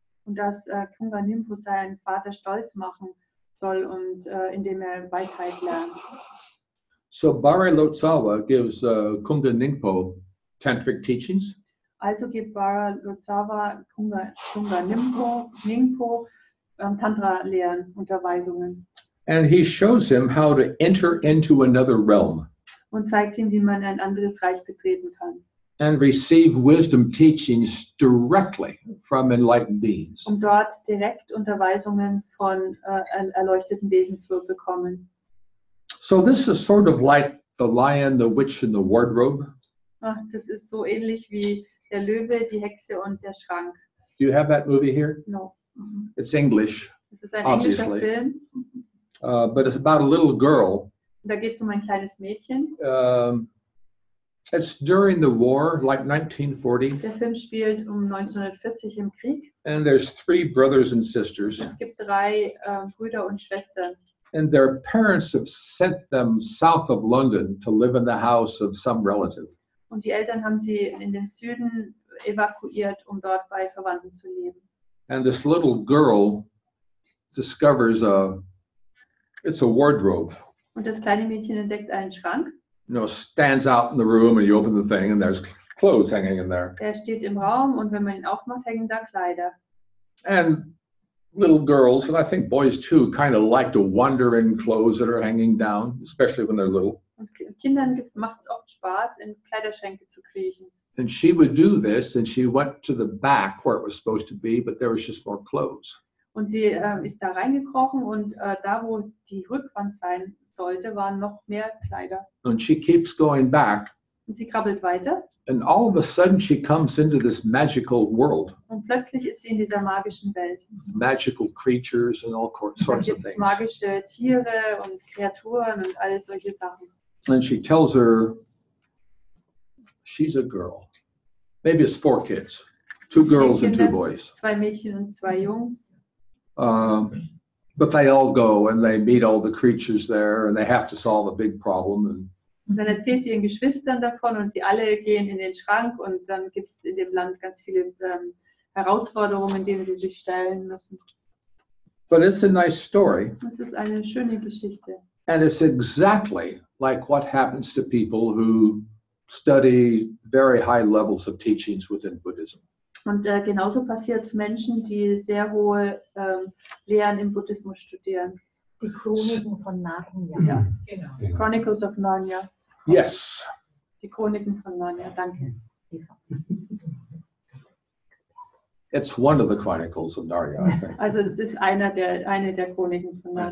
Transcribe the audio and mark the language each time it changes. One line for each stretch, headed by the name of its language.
German: Und dass Kungan Nyingpo seinen Vater stolz machen soll und indem Weisheit lernt.
English: So Bari Lhotsawa gives Kungan Nyingpo tantric teachings.
German: Also gibt Bari Lhotsawa Kungan Nyingpo Tantra Lehren Unterweisungen.
English: And he shows him how to enter into another realm.
German: Und zeigt ihm, wie man ein anderes Reich betreten kann.
English: and receive wisdom teachings directly from enlightened beings.
German: Um dort direkt Unterweisungen von erleuchteten Wesen zu bekommen.
English: So this is sort of like the lion, the witch, and the wardrobe.
German: Ach, das ist so ähnlich wie der Löwe, die Hexe und der Schrank.
English: Do you have that movie here? No. It's English.
German: Es ist ein englischer Film.
English: But it's about a little girl.
German: Da geht's um ein kleines Mädchen.
English: It's during the war, like 1940.
German: Der Film spielt um 1940 im Krieg.
English: And there's three brothers and sisters.
German: Es gibt drei Brüder und Schwestern.
English: And their parents have sent them south of London to live in the house of some relative.
German: Und die Eltern haben sie in den Süden evakuiert, um dort bei Verwandten zu leben.
English: And this little girl discovers it's a wardrobe.
German: Und das kleine Mädchen entdeckt einen Schrank.
English: You know, stands out in the room and you open the thing and there's clothes hanging in there.
German: Er steht im Raum und wenn man ihn aufmacht, hängen da Kleider.
English: And little girls, and I think boys too, kind of like to wander in clothes that are hanging down, especially when they're little.
German: Und Kindern macht's oft Spaß, in Kleiderschränke zu kriechen.
English: And she would do this and she went to the back where it was supposed to be, but there was just more clothes.
German: Und sie ist da reingekrochen und da, wo die Rückwand sein sollte, waren noch mehr Kleider.
English: And she keeps going back.
German: Und sie krabbelt weiter.
English: And all of a sudden she comes into this magical world.
German: Und plötzlich ist sie in dieser magischen Welt.
English: Magical creatures and all sorts of things.
German: Und dann gibt's magische Tiere und Kreaturen und all solche Sachen.
English: And she tells her, she's a girl. Maybe it's four kids. Two girls and two boys.
German: Zwei Mädchen und zwei Jungs.
English: But they all go and they meet all the creatures there and they have to solve a big problem.
German: Und dann erzählt sie ihren Geschwistern davon und sie alle gehen in den Schrank und dann gibt es in dem Land ganz viele Herausforderungen, denen sie sich stellen müssen.
English: But it's a nice story.
German: Es ist eine schöne Geschichte.
English: And it's exactly like what happens to people who study very high levels of teachings within Buddhism.
German: Und genauso passiert es Menschen, die sehr hohe Lehren im Buddhismus studieren. Die Chroniken von Narnia. Mm-hmm. Ja. Genau. Chronicles of Narnia.
English: Yes.
German: Die Chroniken von Narnia, danke.
English: It's one of the Chronicles of Narnia, I think.
German: Also es ist eine der Chroniken von Narnia.